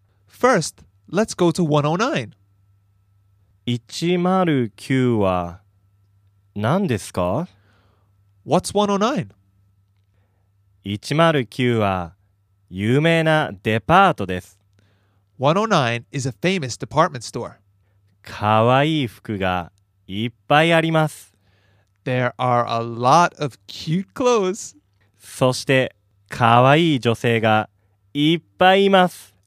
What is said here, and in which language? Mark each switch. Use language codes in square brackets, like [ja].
[en] First, let's go to 109. [ja] 109は何ですか？ [en] What's 109? [ja] 109は有名なデパートです。 [en] 109 is a famous department store. [ja] かわいい服がいっぱいあります。 [en] There are a lot of cute clothes. [ja] そしてかわいい女性がいっぱいいます。